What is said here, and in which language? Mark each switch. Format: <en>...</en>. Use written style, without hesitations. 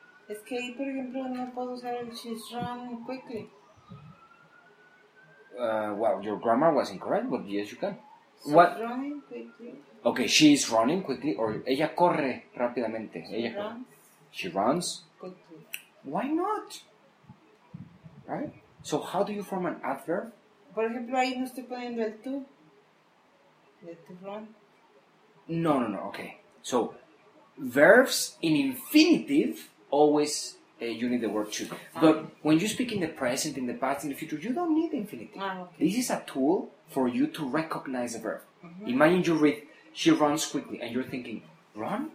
<es>Es que ahí, por ejemplo, no puedo usar el</es> <en>she's run quickly. Well, your grammar was incorrect, but yes, you can. She's what? Running quickly. Okay, she's running quickly, or</en> <es>ella corre rápidamente.</es> <en>She</en> <es>ella</es> <en>runs. She runs. Quickly. Why not? Right? So how do you form an adverb?</en> <es>Por ejemplo, ahí no estoy poniendo el to.</es> <en>El to run. No, no, no, okay. So, verbs in infinitive, always you need the word to. But when you speak in the present, in the past, in the future, you don't need infinitive. Ah, okay. This is a tool for you to recognize a verb. Mm-hmm. Imagine you read, she runs quickly, and you're thinking, run?</en>